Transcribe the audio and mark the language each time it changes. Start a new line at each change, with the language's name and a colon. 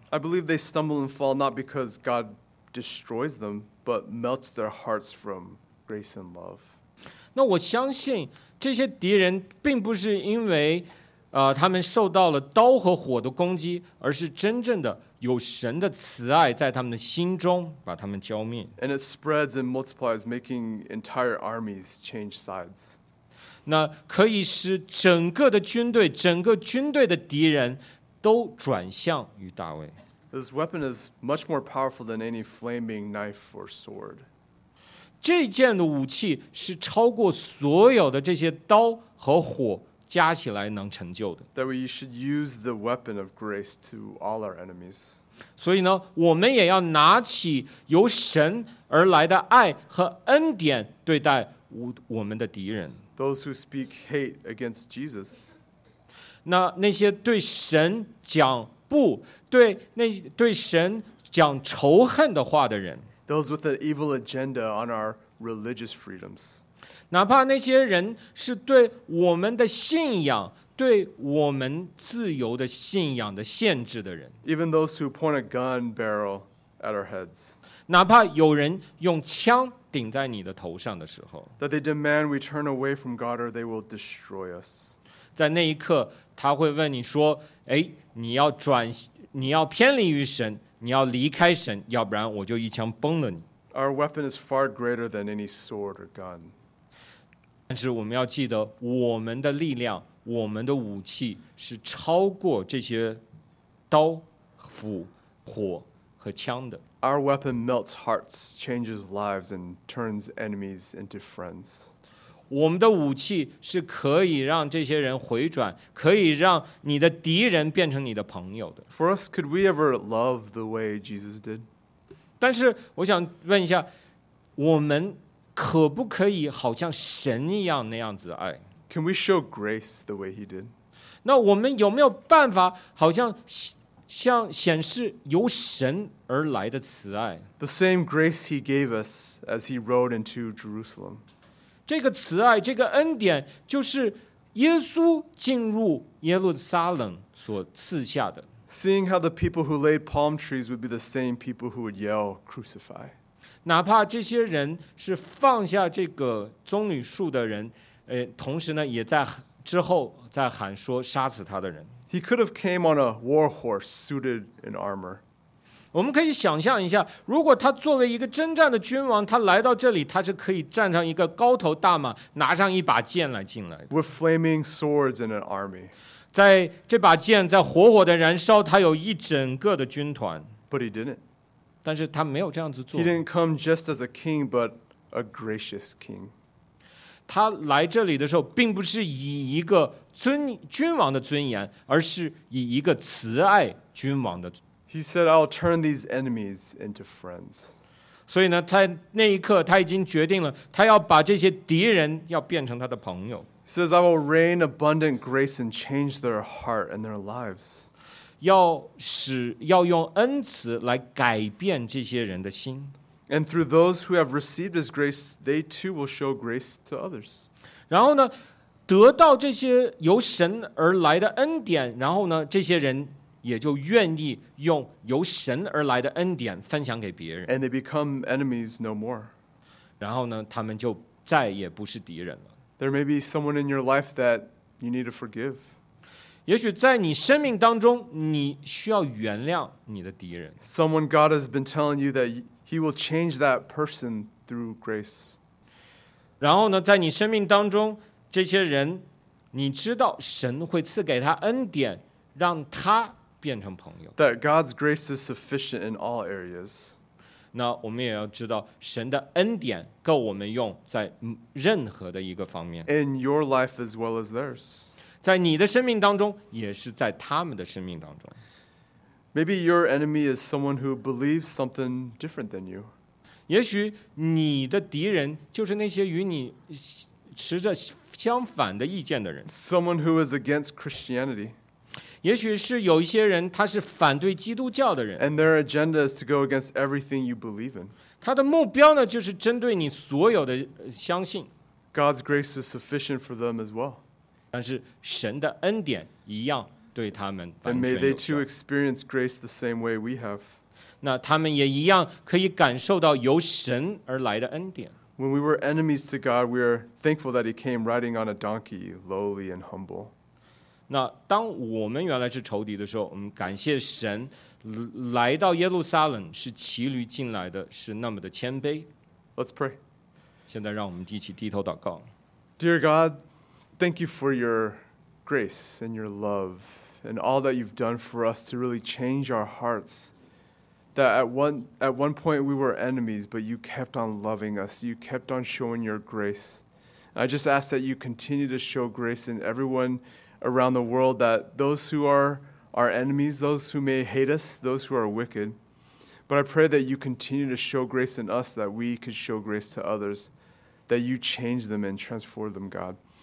English: I believe they stumble and fall not because God destroys them, but melts their hearts from. Grace and love.
Chinese: 那我相信这些敌人并不是因为他们受到了刀和火的攻击，而是真正的有神的慈爱在他们的心中把他们浇灭。
English: And it spreads and multiplies, making entire armies change sides.
Chinese: 那可以使整个的军队，整个军队的敌人都转向于大卫。
English: This weapon is much more powerful than any flaming knife or sword.
Chinese: 这件的武器是超过所有的这些刀和火加起来能成就的。
English: That we should use the weapon of grace to all our enemies.
Chinese: 所以呢，我们也要拿起由神而来的爱和恩典对待我们的敌人。
English: Those who speak hate against Jesus.
Chinese: 那些对神讲不，对神讲仇恨的话的人。
English: Those with an evil agenda on our religious freedoms.
Chinese: 哪怕那些人是对我们的信仰，对我们自由的信仰的限制的人。
English: Even those who point a gun barrel at our heads.
Chinese: 哪怕有人用枪顶在你的头上的时候。
English: That they demand we turn away from God or they will destroy us.
Chinese: 在那一刻，他会问你说，哎，你要偏离于神，你要离开神，要不然我就一枪崩了你。
English: Our weapon is far greater than any sword or gun.
Chinese: 但是我们要记得，我们的力量，我们的武器是超过这些刀、斧、火和枪的。
English: Our weapon melts hearts, changes lives, and turns enemies into friends.
Chinese: 我们的武器是可以让这些人回转，可以让你的敌人变成你的朋友的。
English: For us, could we ever love the way Jesus did?
Chinese: 但是我想问一下，我们可不可以好像神一样那样子爱？
English: Can we show grace the way he did?
Chinese: 那我们有没有办法好像显示由神而来的慈爱？
English: The same grace he gave us as he rode into Jerusalem.
Chinese: 这个慈爱，这个恩典，就是耶稣进入耶路撒冷所赐下的。
English: Seeing how the people who laid palm trees would be the same people who would yell crucify.
Chinese: 哪怕这些人是放下这个棕榈树的人，同时呢，也在之后在喊说杀死他的人。
English: He could have came on a war horse suited in armor.
Chinese: 我们可以想象一下，如果他作为一个征战的君王，他来到这里，他是可以站上一个高头大马，拿上一把剑来进来。
English: With flaming swords and an army.
Chinese: 在这把剑在火火的燃烧，他有一整个的军团。
English: But he didn't.
Chinese: 但是他没有这样子做。
English: He didn't come just as a king, but a gracious king.
Chinese: 他来这里的时候，并不是以一个君王的尊严，而是以一个慈爱君王的。
English: He said, "I'll turn these enemies into friends."
Chinese: 所以呢，他那一刻他已经决定了，他要把这些敌人要变成他的朋友。
English: He says, "I will rain abundant grace and change their heart and their lives."
Chinese: 要用恩慈来改变这些人的心。
English: And through those who have received his grace, they too will show grace to others.
Chinese: 然后呢，得到这些由神而来的恩典，然后呢，这些人也就愿意用由神而来的恩典分享给别人。
English: And they become enemies no more.
Chinese: 然后呢，他们就再也不是敌人了。
English: There may be someone in your life that you need to forgive.
Chinese: 也许在你生命当中，你需要原谅你的敌人。
English: Someone God has been telling you that He will change that person through grace.
Chinese: 然后呢，在你生命当中，这些人，你知道神会赐给他恩典，让他变成朋友。
English: That God's grace is sufficient in all areas.
Chinese: 那我们也要知道，神的恩典够我们用在任何的一个方面。
English: In your life as well as theirs.
Chinese: 在你的生命当中，也是在他们的生命当中。
English: Maybe your enemy is someone who believes something different than you.
Chinese: 也许你的敌人就是那些与你持着相反的意见的人。
English: Someone who is against Christianity.
Chinese: 也许是有一些人，他是反对基督教的人。
English: And their agenda is to go against everything you believe in.
Chinese: 他的目标呢，就是针对你所有的相信。
English: God's grace is sufficient for them as well.
Chinese: 但是神的恩典一样对他们完全有效。
English: And may they too experience grace the same way we have.
Chinese: 那他们也一样可以感受到由神而来的恩典。
English: When we were enemies to God, we are thankful that He came riding on a donkey, lowly and humble.
Chinese: 那当我们原来是仇敌的时候，我们感谢神来到耶路撒冷是骑驴进来的，是那么的谦卑。
English: Let's pray.
Chinese: 现在让我们一起低头祷告。
English: Dear God,Thank you for your grace and your love and all that you've done for us to really change our hearts. That at one point we were enemies, but you kept on loving us. You kept on showing your grace I just ask that you continue to show grace in everyone around the world, that those who are our enemies, those who may hate us, those who are wicked, but I pray that you continue to show grace in us, that we could show grace to others, that you change them and transform them, God.